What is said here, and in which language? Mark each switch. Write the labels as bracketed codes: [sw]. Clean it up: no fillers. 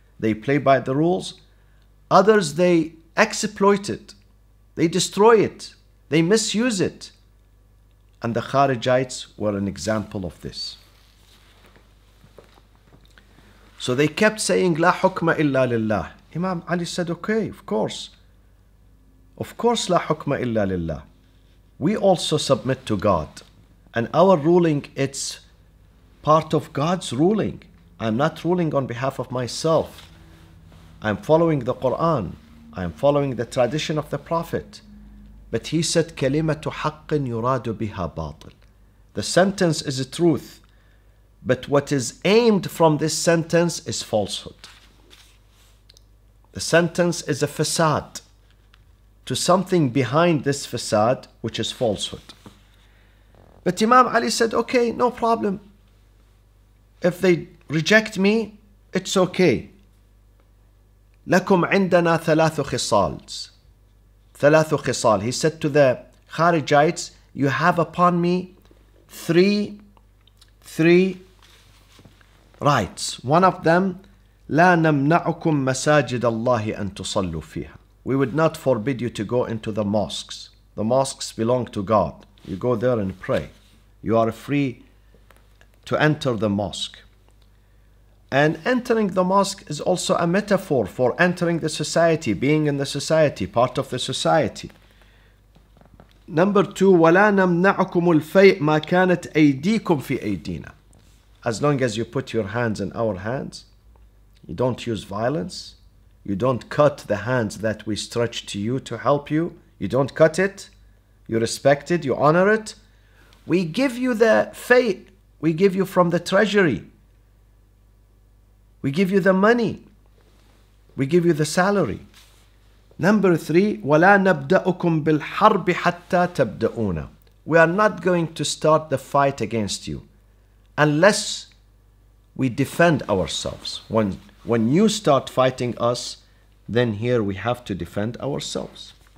[en] They play by the rules. Others, they exploit it. They destroy it. They misuse it. And the Kharijites were an example of this. So they kept saying, [ar] لا حكم إلا لله. [en] Imam Ali said, okay, of course. Of course, [ar] لا حكم إلا لله. [en] We also submit to God. And our ruling, it's part of God's ruling. I'm not ruling on behalf of myself. I'm following the Quran. I'm following the tradition of the Prophet. But he said, [ar] كلمة حق يراد بها باطل. [en] The sentence is a truth. But what is aimed from this sentence is falsehood. The sentence is a facade to something behind this facade, which is falsehood. But Imam Ali said, okay, no problem. If they reject me, it's okay. [ar] لكم عندنا ثلاث خصال. ثلاث خصال. [en] He said to the Kharijites, you have upon me three rights. One of them, [ar] لا نمنعكم مساجد الله أن تصلوا فيها. [en] We would not forbid you to go into the mosques. The mosques belong to God. You go there and pray. You are free to enter the mosque. And entering the mosque is also a metaphor for entering the society, being in the society, part of the society. Number two, [ar] ولا نمنعكم الفيء ما كانت أيديكم في أيدينا. [en] As long as you put your hands in our hands, you don't use violence, you don't cut the hands that we stretch to you to help you, you don't cut it, you respect it, you honor it. We give you the faith, we give you from the treasury. We give you the money, we give you the salary. Number three, [ar] ولا نبدأكم بالحرب حتى تبدأونا. [en] We are not going to start the fight against you unless we defend ourselves. When you start fighting us, then here we have to defend ourselves.